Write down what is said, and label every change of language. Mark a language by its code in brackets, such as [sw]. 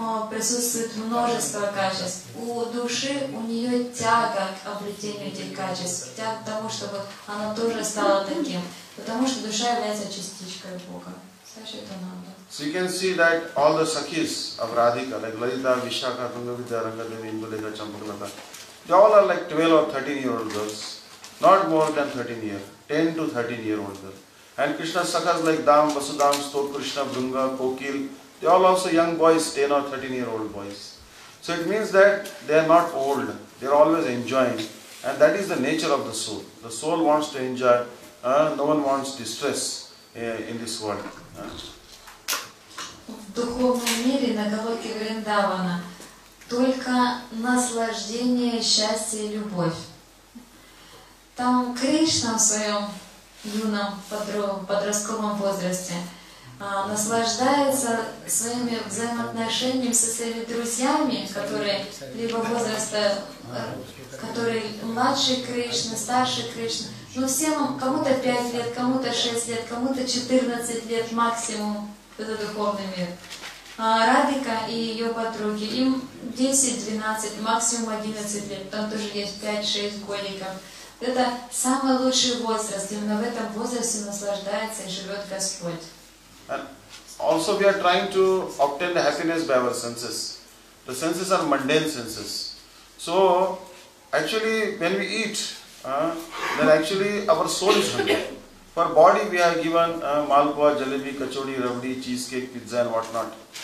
[ru] присутствует множество качеств. У души, у нее тяга к обретению этих качеств, тяга к тому, чтобы она тоже стала таким, потому что душа является частичкой Бога. Саша, это надо. [en] So you can see that all the sakhis of Radhika, like Lalita, Vishakha, Tungavita, Rangadevi, Indulekha, Champakalata, they all are like 12 or 13 year old girls, not more than 13 year, 10 to 13 year old girls. And Krishna sakhas like Dham, Vasudham, Stok, Krishna, Vrunga, Kokil, they all also young boys, 10 or 13 year old boys. So it means that they are not old, they are always enjoying, and that is the nature of the soul. The soul wants to enjoy, no one wants distress in this world. [ru] В духовном мире на Галоке Вриндавана только наслаждение, счастье и любовь. Там Кришна в своем юном подростковом возрасте наслаждается своими взаимоотношениями со своими друзьями, которые либо возраста, которые младше Кришны, старше Кришны. Но всем, кому-то 5 лет, кому-то 6 лет, кому-то 14 лет максимум. Это духовный мир. Радика и ее подруги, им 10-12, максимум 11 лет, там тоже есть 5-6 годиков. Это самый лучший возраст, именно в этом возрасте наслаждается и живет Господь. [en] And also we are trying to obtain the happiness by our senses. The senses are mundane senses. So, actually when we eat, then actually our soul is hungry. For body we have given malpua, jalebi, kachori, ravdi, cheesecake, pizza and what not.